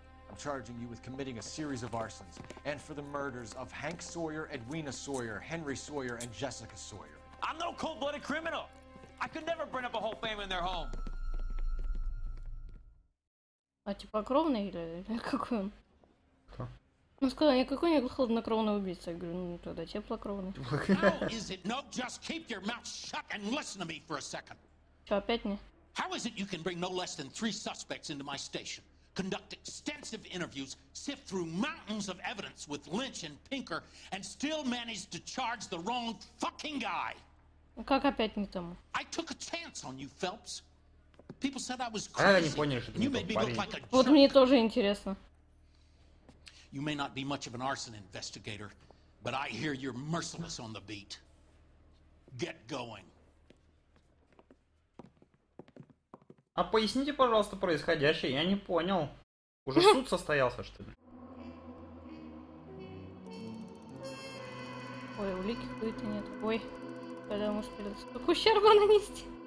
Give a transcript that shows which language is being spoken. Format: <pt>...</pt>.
<en>I'm charging you with committing a series of arsons and for the murders of Hank Sawyer, Edwina Sawyer, Henry Sawyer, and Jessica Sawyer. I'm no cold-blooded criminal. I could never burn up a whole family in their home.</en> <ru>А типа кровный или какой он? Кто? Ну сказал, никакой не хладнокровный убийца. Я говорю, ну тогда теплокровный.</ru> <en>How is it? No, just keep your mouth shut and listen to me for a second.</en> <ru>Чё, опять не?</ru> <en>How is it you can bring no less than three suspects into my station? Conduct extensive interviews, sift through mountains of evidence with Lynch and Pinker, and still manage to charge the wrong fucking guy.</en> <ru>Как опять не тому?</ru> <en>I took a chance on you, Phelps. People said I was crazy.</en> <ru>Я не понял, что ты не тот парень. Вот мне тоже интересно.</ru> <en>You may not be much of an arson investigator, but I hear you're merciless on the beat. Get going.</en> <ru>А поясните, пожалуйста, происходящее, я не понял. Уже суд состоялся, что ли? Ой, улики какой-то нет. Ой, когда мы успели столько ущерба нанести?</ru>